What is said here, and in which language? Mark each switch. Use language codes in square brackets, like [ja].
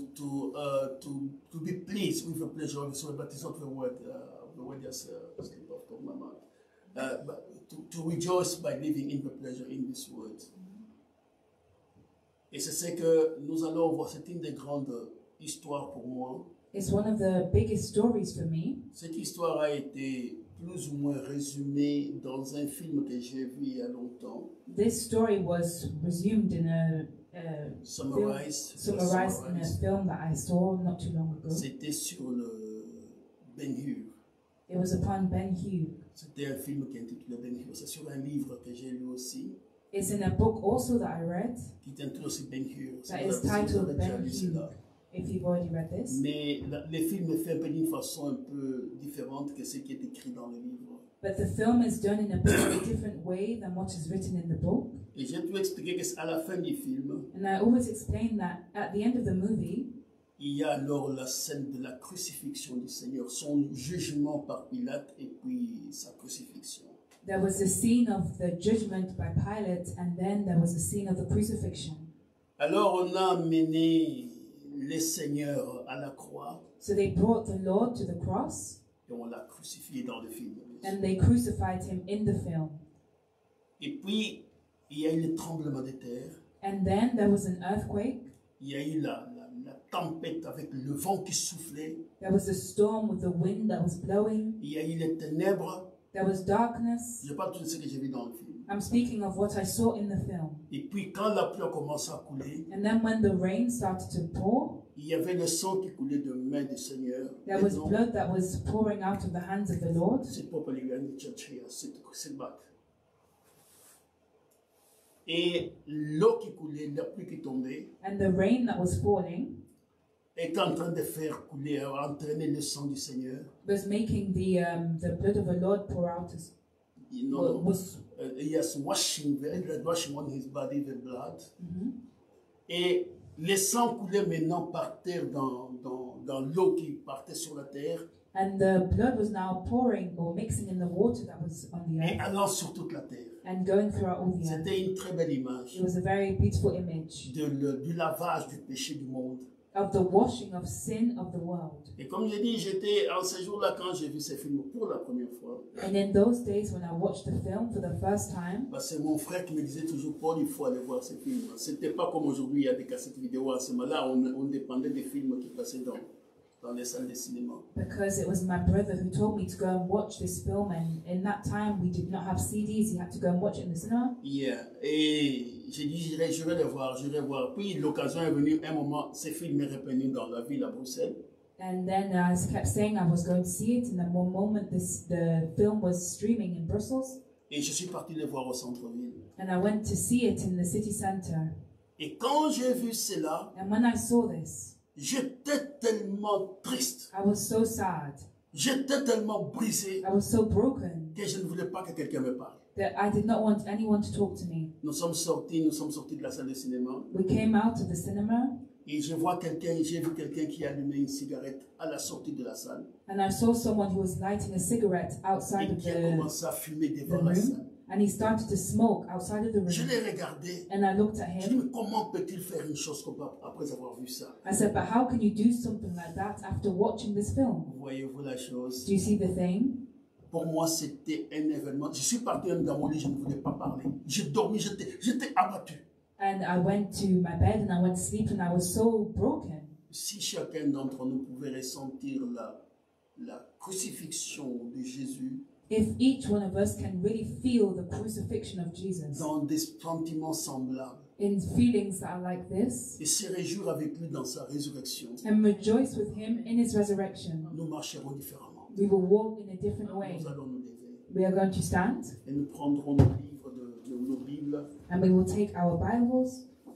[en] To be pleased with the pleasure of the soul, but it's not the word just slipped off of my mouth. But to rejoice by living in the pleasure in this world. [fr] Et c'est ce que nous allons voir. C'est une des grandes histoires pour moi. [en] It's one of the biggest stories for me. [fr] Cette histoire a été plus ou moins résumé dans un film que j'ai vu il y a longtemps. [en] This story was resumed in a summarized in a film that I saw not too long ago. [fr] C'était sur le Ben Hur. [en] It was upon Ben Hur. [fr] C'était un film qui intitulé Ben Hur. C'est sur un livre que j'ai lu aussi. [en] It's in a book also that I read. [fr] Qui intitulé aussi Ben Hur. [en] That is titled Ben Hur. If you've already read this. [fr] Mais le film est fait un peu d'une façon un peu différente que ce qui est écrit dans le livre. [en] But the film is done in a bit different way than what is written in the book. [fr] Et j'ai tout expliqué que c'est à la fin du film. [en] And I always explain that at the end of the movie. [fr] Il y a alors la scène de la crucifixion du Seigneur, son jugement par Pilate et puis sa crucifixion. [en] There was a scene of the judgment by Pilate and then there was a scene of the crucifixion. [fr] Alors on a amené le Seigneur à la croix. [en] So they brought the Lord to the cross. [fr] Et on l'a crucifié dans le film. [en] And they crucified him in the film. [fr] Et puis il y a eu le tremblement de terre. [en] And then there was an earthquake. [fr] Il y a eu la tempête avec le vent qui soufflait. [en] There was a storm with the wind that was blowing. [fr] Il y a eu les ténèbres. [en] There was darkness. [fr] Je parle de ce que j'ai vu dans le film. [en] I'm speaking of what I saw in the film. [fr] Et puis quand la pluie a commencé à couler, [en] and then when the rain started to pour, [fr] il y avait le sang qui coulait de main du Seigneur. [en] There was blood that was pouring out of the hands of the Lord. [fr] C'est pas pour les gens de [en] church here, [fr] c'est pour se battre. Et l'eau qui coulait, la pluie qui tombait, [en] and the rain that was falling, [fr] est en train de faire couler, entraîner le sang du Seigneur. [en] Was making the blood of the Lord pour out. His, you know, was, yes, washing, washing on his body the blood. Mm-hmm. [fr] Et le sang coulait maintenant par terre dans l'eau qui partait sur la terre. [en] And the blood was now pouring or mixing in the water that was on the earth. [fr] Et allant sur toute la terre. [en] And going throughout all the earth. [fr] C'était une très belle image. [en] It was a very beautiful image. [fr] Du lavage du péché du monde. [en] Of the washing of sin of the world. [fr] Et comme je dis, j'étais en ces jours-là quand j'ai vu ce film pour la première fois. [en] And in those days when I watched the film for the first time. [fr] Bah c'est mon frère qui me disait toujours, Paul, il faut aller voir ce film. C'était pas comme aujourd'hui, il y a des cassettes vidéo. À ce moment-là, on dépendait des films qui passaient dans les salles de cinéma. [en] Because it was my brother who told me to go and watch this film, and in that time we did not have CDs, you had to go and watch it in the cinema. [fr] Yeah, et j'ai dit j'irai le voir. Puis l'occasion est venue, un moment, ce film est revenu dans la ville à Bruxelles. [en] And then I kept saying I was going to see it, and then one moment the film was streaming in Brussels. [fr] Et je suis parti le voir au centre-ville. [en] And I went to see it in the city center. [fr] Et quand j'ai vu cela, [en] and when I saw this, [fr] j'étais tellement triste. [en] I was so sad. [fr] J'étais tellement brisé. [en] I was so broken. [fr] Que je ne voulais pas que quelqu'un me parle. [en] That I did not want anyone to talk to me. [fr] Nous sommes sortis de la salle de cinéma. [en] We came out of the cinema. [fr] Et je vois quelqu'un, j'ai vu quelqu'un qui allumait une cigarette à la sortie de la salle. [en] And I saw someone who was lighting a cigarette outside of the room. [fr] Et qui a commencé à fumer devant la salle. [en] And he started to smoke outside of the room. [fr] Je l'ai regardé. [en] And I looked at him. [fr] Je lui ai dit, comment peut-il faire une chose comme ça après avoir vu ça? [en] I said, but how can you do something like that after watching this film? [fr] Voyez-vous la chose? [en] Do you see the thing? [fr] Pour moi, c'était un événement. Je suis parti dans mon lit, je ne voulais pas parler. J'ai dormi, j'étais abattu. [en] And I went to my bed and I went to sleep and I was so broken. [fr] Si chacun d'entre nous pouvait ressentir la crucifixion de Jésus. [en] If each one of us can really feel the crucifixion of Jesus. [fr] Dans des sentiments semblables. [en] In feelings that are like this. [fr] Et se réjouir avec lui dans sa résurrection. [en] And rejoice with him in his resurrection. [fr] Nous marcherons différemment. [en] We will walk in a different way. [fr] Nous allons nous lever. [en] We are going to stand. [fr] Et nous prendrons nos livres de nos Bibles. [en] And we will take our Bibles.